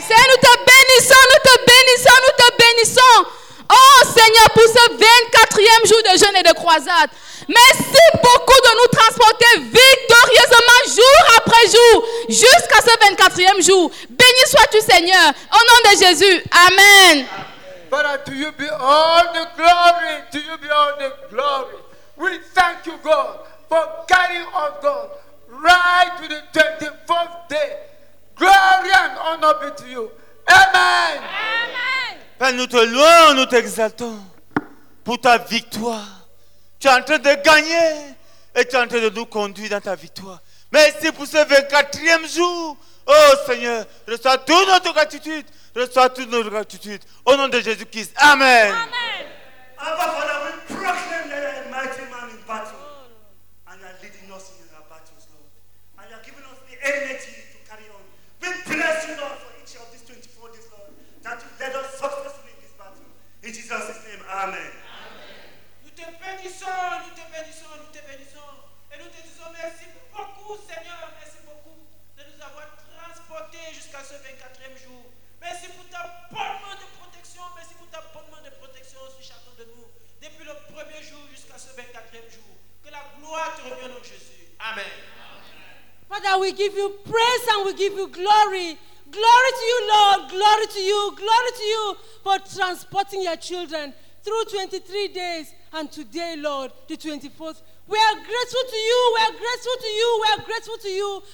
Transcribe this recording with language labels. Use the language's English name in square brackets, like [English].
[French] Seigneur, nous te bénissons, nous te bénissons, nous te bénissons. Oh Seigneur, pour ce 24e jour de jeûne et de croisade, merci beaucoup de nous transporter victorieusement jour après jour jusqu'à ce 24e jour. Béni sois-tu Seigneur, au nom de Jésus, amen. [English] Father, to you be all the glory, to you be all the glory. We thank you God for carrying on God right to the 24th day. Glory and honor be to you. Amen. Amen. [French] Père, nous te louons, nous t'exaltons pour ta victoire. Tu es en train de gagner et tu es en train de nous conduire dans ta victoire. Merci pour ce 24e jour. Oh Seigneur, reçois toute notre gratitude. Reçois toute notre gratitude. Au nom de Jésus-Christ. Amen. Amen. [English] Abba Father, we proclaim that you are a mighty man in battle. Oh, and you are leading us in our battles, Lord. And you are giving us the energy to carry on. We bless you, Lord, for each of these 24 days, Lord, that you led us successfully in this battle. In Jesus' name, amen. Amen. [French] Nous te bénissons, nous te bénissons, nous te bénissons. Et nous te disons merci beaucoup, Seigneur. Merci beaucoup de nous avoir transportés jusqu'à ce 24e jour. Merci pour ta bonne main de protection. Merci pour ta bonne main de protection sur chacun de nous. Depuis le premier jour jusqu'à ce 24e jour. Que la gloire te revienne au Jésus. Amen. [English] Father, we give you praise and we give you glory. Glory to you, Lord. Glory to you. Glory to you for transporting your children through 23 days and today, Lord, the 24th. We are grateful to you. We are grateful to you. We are grateful to you.